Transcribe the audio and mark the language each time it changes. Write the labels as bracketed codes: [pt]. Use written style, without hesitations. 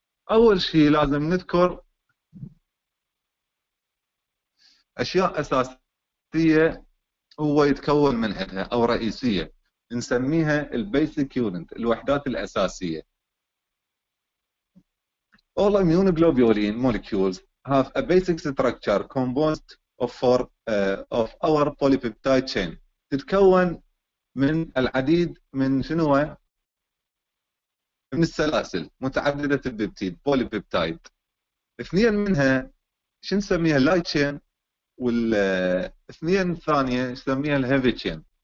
[ar] اول شيء لازم نذكر اشياء اساسيه هو يتكون منها او رئيسيه نسميها البيسك يونت الوحدات الاساسيه. [en] All immune globulin molecules have a basic structure composed of our polypeptide chain. [ar] تتكون من العديد من شنو من السلاسل متعددة البيبتيد بوليبيبتايد. اثنين منها شو نسميها light chain والاثنين الثانية نسميها heavy chain.